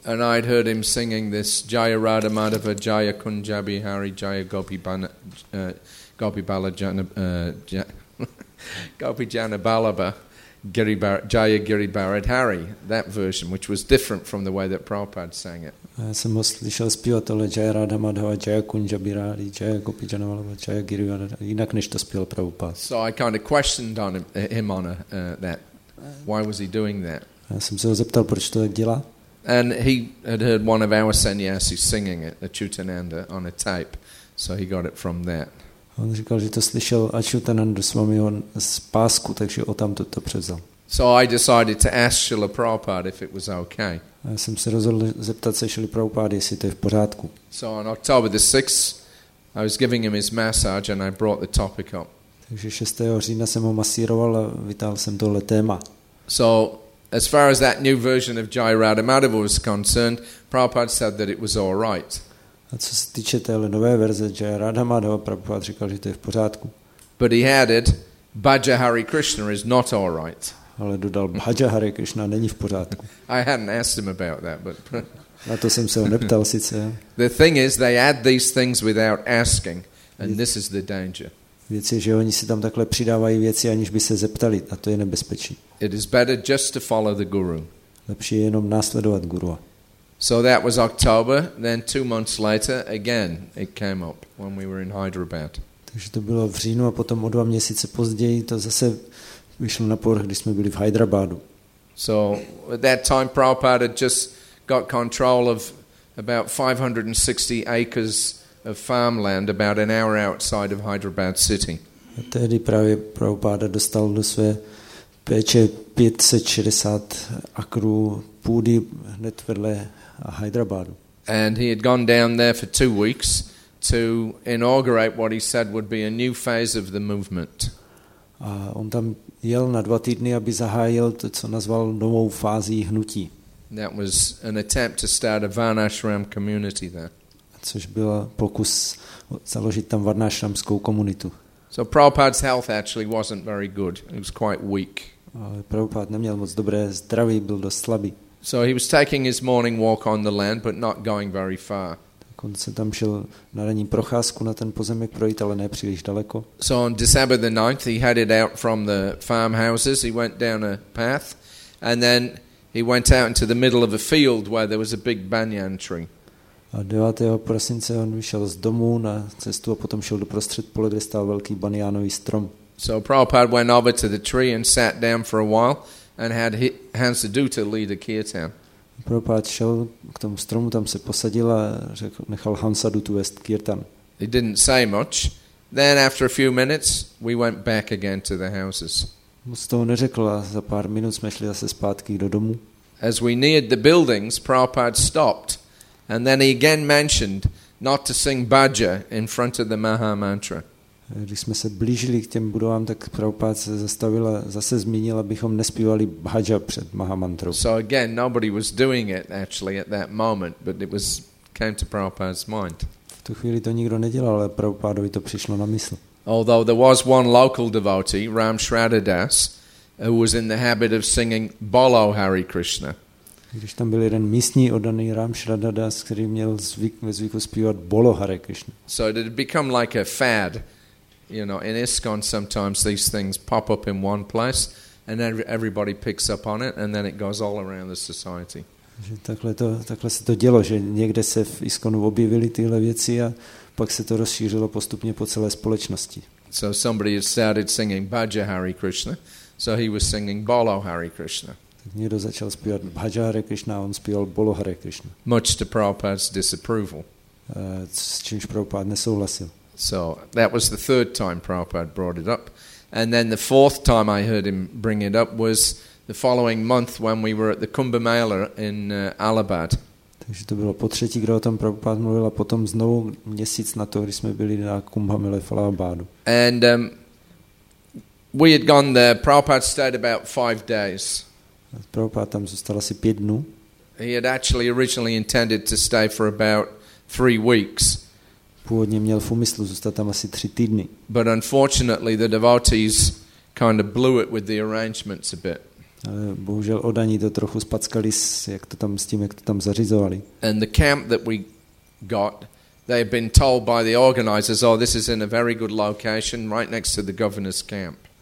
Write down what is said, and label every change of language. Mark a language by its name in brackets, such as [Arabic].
[English] And I'd heard him singing this [Sanskrit] Jaya Radha Madhava Jaya Kunjabi Hari Jaya Gopi Bana Gopi Bala Jana Gopi Jana Balaba Jaya Giri Bharat Hari, [English] that version, which was different from the way that Prabhupada sang it. [Czech] Já jsem ho slyšel zpívat tohle [Sanskrit] Jaya Radha Madhava Jaya Kunjabi Hari Jaya Gopi Jana Balaba Jaya Giri Bharat Hari, [Czech] jinak než to zpíval Prabhupada. [English] So I kind of questioned on him on that. Why was he doing that? [Czech] Já jsem se ho zeptal, proč to tak dělá. [English] And he had heard one of our sannyasis singing it, a Chutananda, on a tape. So he got it from that. [Czech] On říkal, že to slyšel Ačutanandu Svamiho z pásku, takže odtamtud to převzal. [English] So I decided to ask Srila Prabhupada if it was okay. [Czech] Já jsem se rozhodl zeptat se Srila Prabhupada, jestli to je v pořádku. [English] So on October the 6th, I was giving him his massage and I brought the topic up. [Czech] Takže 6. října jsem ho masíroval a vytáhl jsem tohle téma. [English] So as far as that new version of Jai Radha Madhava was concerned, Prabhupada said that it was all right. [Czech] A co se týče téhle nové verze Jai Radha Madhava, Prabhupada říkal, že to je v pořádku. [English] But he added, Bhaja Hare Krishna is not all right. [Czech] Ale dodal, Bhaja Hare Krishna není v pořádku. [English] I hadn't asked him about that, but [Czech] na to jsem se ho neptal sice. [English] The thing is, they add these things without asking, and this is the danger. [Czech] Věc je, že oni si tam takhle přidávají věci, aniž by se zeptali, a to je nebezpečí. [English] It is better just to follow the guru. [Czech] Lepší je jenom následovat gurua. [English] So that was October, then 2 months later, again, it came up when we were in Hyderabad. [Czech] Takže to bylo v říjnu a potom o 2 měsíce později to zase vyšlo na povrch, když jsme byli v Hyderabadu. [English] So at that time Prabhupada just got control of about 560 acres of farmland about an hour outside of Hyderabad city. [Czech] A tehdy právě Prabhupada dostal do své péče 560 akrů půdy hned vedle Hyderabadu. [English] And he had gone down there for 2 weeks to inaugurate what he said would be a new phase of the movement. [Czech] A on tam jel na 2 týdny, aby zahájil to, co nazval novou fází hnutí. [English] That was an attempt to start a Varnashram community there. [Czech] Což byl pokus založit tam Varnashramskou komunitu. [English] So Prabhupada's health actually wasn't very good. It was quite weak. [Czech] Ale Prabhupada neměl moc dobré zdraví, byl dost slabý. [English] So he was taking his morning walk on the land, but not going very far. [Czech] On se tam šel na ranní procházku na ten pozemek projít, ale ne příliš daleko. [English] So on December the 9th, he headed out from the farmhouses. He went down a path and then he went out into the middle of a field where there was a big banyan tree. [Czech] A 9. prosince on vyšel z domu na cestu a potom šel doprostřed pole, kde stál velký baniánový strom. [English] So Prabhupada went over to the tree and sat down for a while and had Hansaduta lead a kirtan. [Czech] Prabhupada šel k tomu stromu, tam se posadil a řekl, nechal Hansadutu vést kirtan. [English] He didn't say much. Then after a few minutes, we went back again to the houses. [Czech] Moc toho neřekl a za pár minut jsme šli zase zpátky do domu. [English] As we neared the buildings, Prabhupada stopped and then he again mentioned not to sing bhaja in front of the Maha Mantra. [Czech] Když jsme se blížili k těm budovám, tak Prabhupada se zastavil a zase zmínil, abychom nespívali bhaja před Maha Mantrou. [English] So again, nobody was doing it actually at that moment, but it was came to Prabhupada's mind. [Czech] V tu chvíli to nikdo nedělal, ale Prabhupadovi to přišlo na mysl. [English] Although there was one local devotee, Ram Shraddha Das, who was in the habit of singing Bolo Hare Krishna. [Czech] Když tam byl jeden místní oddaný Ram Shraddha Das, který měl ve zvyku zpívat Bolo Hare Krishna. [English] So it had become like a fad. You know, in ISKCON sometimes these things pop up in one place and everybody picks up on it and then it goes all around the society. [Czech] Takhle se to dělo, že někde se v ISKCONu objevily tyhle věci a pak se to rozšířilo postupně po celé společnosti. [English] So somebody had started singing Bhaja Hare Krishna, so he was singing Bolo Hare Krishna. [Czech] Tak někdo začal zpívat Bhaja Hare Krishna a on zpíval Bolo Hare Krishna. [English] Much to Prabhupada's disapproval. [Czech] S čímž Prabhupada nesouhlasil. [English] So that was the third time Prabhupada brought it up. And then the fourth time I heard him bring it up was the following month when we were at the Kumbh Mela in Allahabad. [Czech] Takže to bylo po třetí, kdo o tom Prabhupada mluvil, a potom znovu měsíc na to, když jsme byli na Kumbh Mele v Allahabadu. [English] And we had gone there. Prabhupada stayed about 5 days. [Czech] Prabhupada tam zůstal asi 5 dnů. [English] He had actually originally intended to stay for about 3 weeks. [Czech] Původně měl v úmyslu zůstat tam asi 3 týdny. [English] But unfortunately the devotees kind of blew it with the arrangements a bit. [Czech] Ale bohužel oddaní to trochu spackali, jak to tam zařizovali. [English] And the camp that we got, they had been told by the organizers, oh, this is in a very good location right next to the governor's camp.